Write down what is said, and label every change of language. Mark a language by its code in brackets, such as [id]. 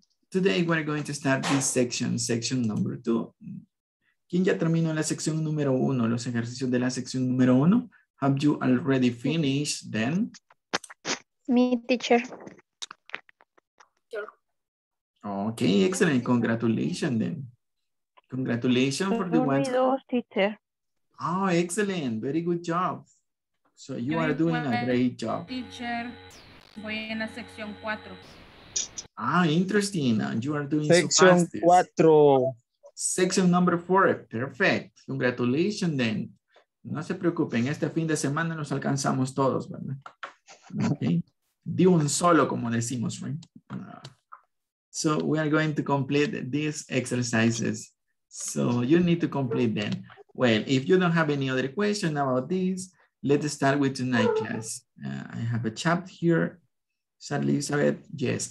[en] Today we're going to start this section, section number two. [es] ¿Quién ya terminó la sección número uno, los ejercicios de la sección número uno? [en] Have you already finished then? Me, teacher. Okay, excellent. Congratulations then. Congratulations for the ones. Teacher. Oh, excellent. Very good job. So you are doing a great job. [es] Teacher, voy en la sección cuatro. [en] Ah, interesting. You are doing section so fast. [es] Cuatro. [en] Section number four. Perfect. Congratulations then. [es] No se preocupen. Este fin de semana nos alcanzamos todos, ¿verdad? Okay. De un solo, como decimos, right? [en] So we are going to complete these exercises. So you need to complete them. Well, if you don't have any other question about this, let's start with tonight class. I have a chat here. Sarah Elizabeth, yes.